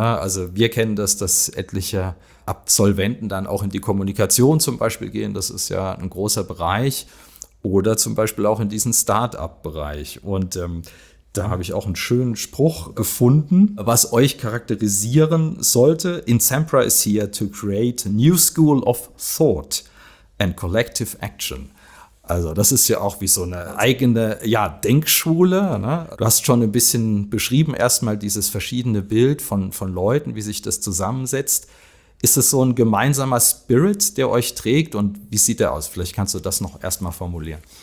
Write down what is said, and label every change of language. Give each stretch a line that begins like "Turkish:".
German: Also wir kennen das, dass etliche Absolventen dann auch in die Kommunikation zum Beispiel gehen, das ist ja ein großer Bereich, oder zum Beispiel auch in diesen Start-up-Bereich. Und da habe ich auch einen schönen Spruch gefunden, was euch charakterisieren sollte.
English: Insempra is here to create a new school of thought and collective action.
German: Also das ist ja auch wie so eine eigene Denkschule. Ne? Du hast schon ein bisschen beschrieben, erstmal dieses verschiedene Bild von Leuten, wie sich das zusammensetzt. Ist es so ein gemeinsamer Spirit, der euch trägt und wie sieht der aus? Vielleicht kannst du das noch erstmal formulieren.